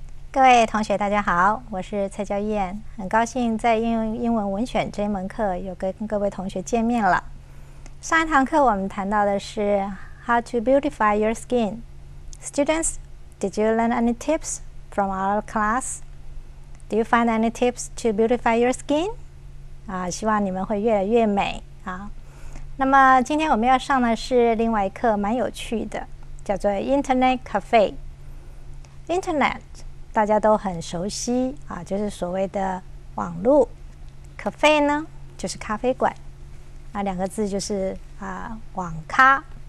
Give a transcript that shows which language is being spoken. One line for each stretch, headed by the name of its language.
Chinese: 各位同学，大家好，我是蔡娇燕，很高兴在应用英文文选这门课又跟各位同学见面了。上一堂课我们谈到的是
English: How to beautify your skin. Students, did you learn any tips from our class? Do you find any tips to beautify your skin?
Chinese: 希望你们会越来越美啊。那么今天我们要上的是另外一课，蛮有趣的，叫做 Internet Cafe. Internet. 大家都很熟悉啊，就是所谓的网路。 Cafe 呢，就是咖啡馆。那两个字就是网咖。